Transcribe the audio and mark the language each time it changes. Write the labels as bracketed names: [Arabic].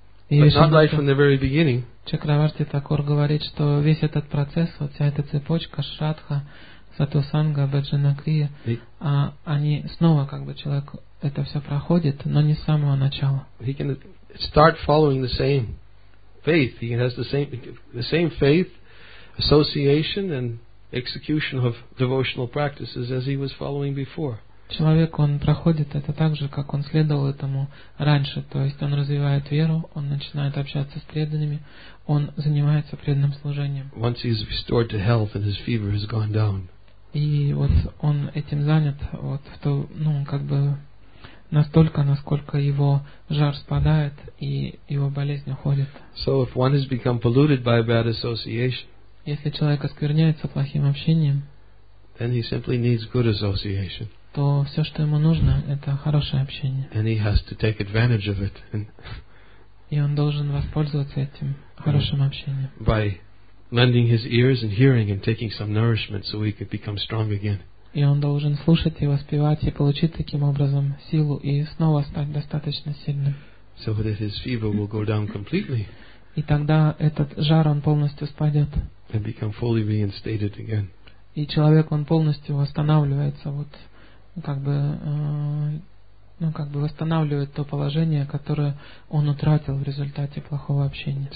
[English] But not right from the very beginning. [Russian] Чакраварти Такур говорит, что весь этот процесс, вот вся эта цепочка, Шрадха, Сатусанга, Баджана Крия, они снова, как бы, человек это все проходит, но не с самого начала. [English] He can start following the same faith. He has the same faith, association and execution of devotional practices as he was following before. [Russian] Человек, он проходит это так же, как он следовал этому раньше. То есть он развивает веру, он начинает общаться с преданными, он занимается преданным служением. [English] Once he's restored to health and his fever has gone down. [Russian] И вот он этим занят, вот в то, ну, как бы настолько, насколько его жар спадает и его болезнь уходит. [English] So if one has become polluted by a bad association, [Russian] если человек оскверняется плохим общением, [English] then he simply needs good association. [Russian] То все, что ему нужно, это хорошее общение. [English] And he has to take advantage of it. [Russian] И он должен воспользоваться этим хорошим общением. [English] By lending his ears and hearing and taking some nourishment so he could become strong again. [Russian] И он должен слушать и воспевать и получить таким образом силу и снова стать достаточно сильным. [English] So that his fever will go down completely. [Russian] И тогда этот жар, он полностью спадет. [English] And become fully reinstated again. [Russian] И человек, он полностью восстанавливается, вот как бы, ну, как бы восстанавливает то положение, которое он утратил в результате плохого общения.